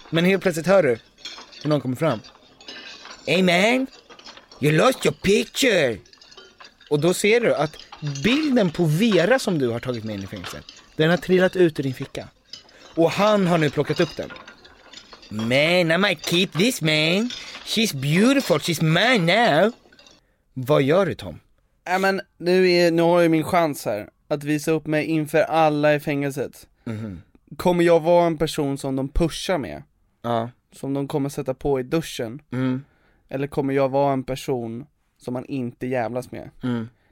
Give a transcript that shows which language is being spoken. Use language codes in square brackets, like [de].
[sv] Men helt plötsligt hör du hur någon kommer fram. [en] Hey man, you lost your picture. [sv] Och då ser du att bilden på Vera som du har tagit med in i fängelsen, den har trillat ut ur din ficka. Och han har nu plockat upp den. [en] Man, I might keep this man. She's beautiful, she's mine now. [sv] Vad gör du, Tom? Nej, men nu har jag min chans här. att visa upp mig inför alla i fängelset. Mm-hmm. Kommer jag vara en person som de pushar med? Ja. Som de kommer sätta på i duschen? Mm. Eller kommer jag vara en person som man inte jävlas med? Mm.